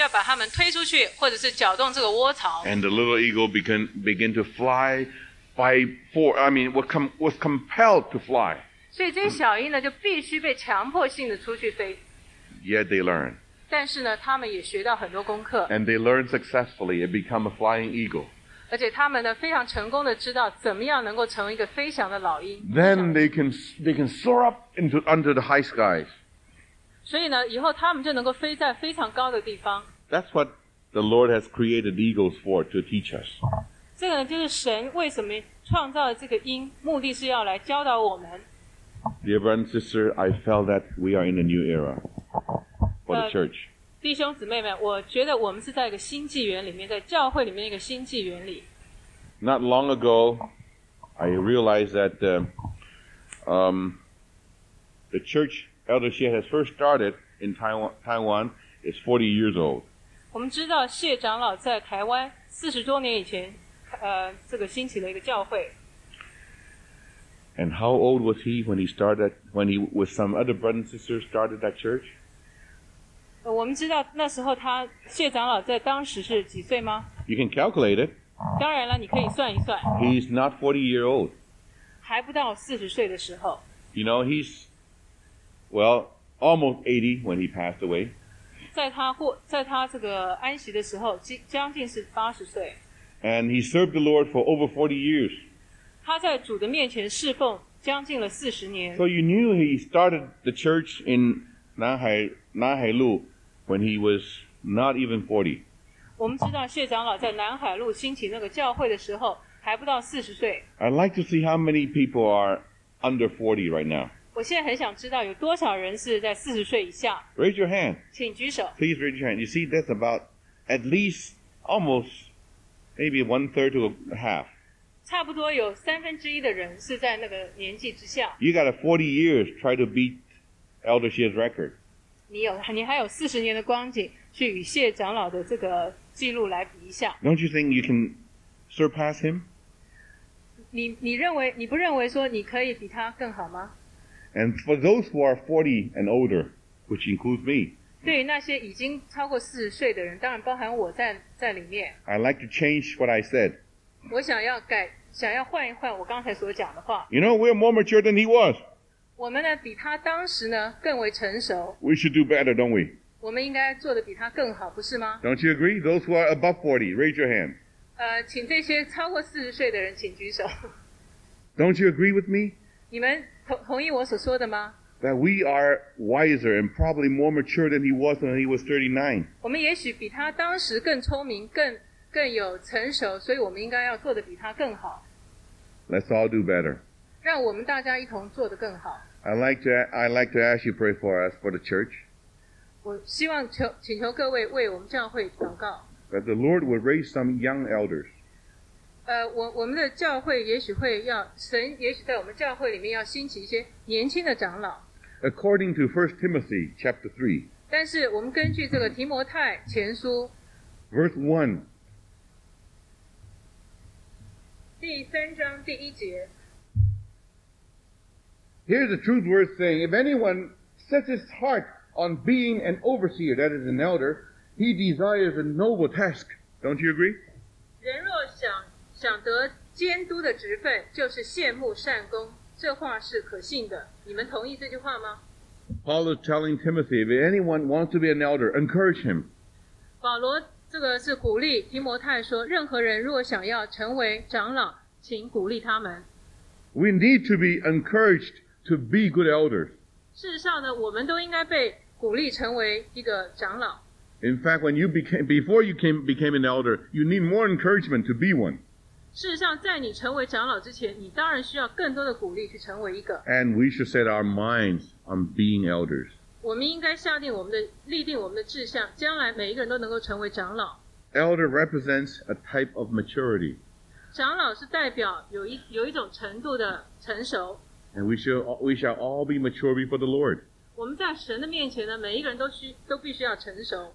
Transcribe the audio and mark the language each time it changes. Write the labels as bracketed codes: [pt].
[zh] 所以呢，这个母鹰呢，必须要把它们推出去，或者是搅动这个窝巢。 [en] And the little eagle begin to fly by four. I mean, was compelled to fly. [zh] 所以这些小鹰呢，就必须被强迫性的出去飞。 [en] Yet they learn. [zh] 但是呢，它们也学到很多功课。 [en] And they learn successfully and become a flying eagle. [zh] 而且他们呢，非常成功的知道怎么样能够成为一个飞翔的老鹰。 [en] Then they can soar up into under the high skies. [zh] 所以呢，以后他们就能够飞在非常高的地方。 [en] That's what the Lord has created eagles for, to teach us. [zh] 这个呢，就是神为什么创造了这个鹰，目的是要来教导我们。 [en] Dear brother and sister, I felt that we are in a new era for the church. [zh] 弟兄姊妹们，我觉得我们是在一个新纪元里面，在教会里面一个新纪元里。 [en] Not long ago, I realized that the church eldership has first started in Taiwan is 40 years old. [zh] 我们知道谢长老在台湾四十多年以前，这个兴起了一个教会。 [en] And how old was he when he started, when he with some other brothers and sisters started that church? [zh] 我们知道那时候他谢长老在当时是几岁吗 [en] ？You can calculate it. [zh] 当然了，你可以算一算。 [en] He's not 40 years old. [zh] 还不到四十岁的时候。 [en] You know, he's, well, almost 80 when he passed away. [zh] 在他这个安息的时候，将近是八十岁。 [en] And he served the Lord for over 40 years. [zh] 他在主的面前侍奉将近了四十年。 [en] So you knew he started the church in Nanhai Lu when he was not even 40. [zh] 我们知道谢长老在南海路兴起那个教会的时候还不到四十岁。 [en] I'd like to see how many people are under 40 right now. [zh] 我现在很想知道有多少人是在四十岁以下。 [en] Raise your hand. [zh] 请举手。 [en] Please raise your hand. You see, that's about at least almost maybe one third to a half. [zh] 差不多有三分之一的人是在那个年纪之下。 [en] You got a 40 years try to beat eldership's record. [zh] 你还有四十年的光景去与谢长老的这个记录来比一下。 [en] Don't you think you can surpass him? [zh] 你认为你不认为说你可以比他更好吗？ [en] And for those who are 40 and older, which includes me, [zh] 对于那些已经超过四十岁的人，当然包含我在里面。 [en] I'd like to change what I said. [zh] 我想要换一换我刚才所讲的话。 [en] You know, we're more mature than he was. [zh] 我们呢，比他当时呢更为成熟。 [en] We should do better, don't we? [zh] 我们应该做得比他更好，不是吗？ [en] Don't you agree? Those who are above 40, raise your hand. [zh] 请这些超过四十岁的人请举手。 [en] Don't you agree with me? [zh] 你们同意我所说的吗？ [en] That we are wiser and probably more mature than he was when he was 39. [zh] 我们也许比他当时更聪明，更有成熟，所以我们应该要做得比他更好。 [en] Let's all do better. [zh] 让我们大家一同做得更好。 [en] I'd like to ask you pray for us for the church. [zh] 我希望请求各位为我们教会祷告。 [en] That the Lord would raise some young elders. [zh] 我们的教会也许会要神也许在我们教会里面要兴起一些年轻的长老。 [en] According to 1 Timothy chapter 3. [zh] 但是我们根据这个提摩太前书。 [en] Verse 1. [zh] 第三章第一节。 [en] Here's the truth worth saying. If anyone sets his heart on being an overseer, that is an elder, he desires a noble task. Don't you agree? [zh] 人若想得监督的职分，就是羡慕善工。这话是可信的。你们同意这句话吗？ [en] Paul is telling Timothy, if anyone wants to be an elder, encourage him. [zh] 保罗这个是鼓励提摩太说，任何人若想要成为长老，请鼓励他们。 [en] We need to be encouraged to be good elders. [zh] 事实上呢，我们都应该被鼓励成为一个长老。 [en] In fact, when you became an elder, you need more encouragement to be one. [zh] 事实上，在你成为长老之前，你当然需要更多的鼓励去成为一个。 [en] And we should set our minds on being elders. [zh] 我们应该下定我们的立定我们的志向，将来每一个人都能够成为长老。 [en] Elder represents a type of maturity. [zh] 长老是代表有一种程度的成熟。 [en] And we shall all be mature before the Lord. [zh] 我们在神的面前呢，每一个人都必须要成熟。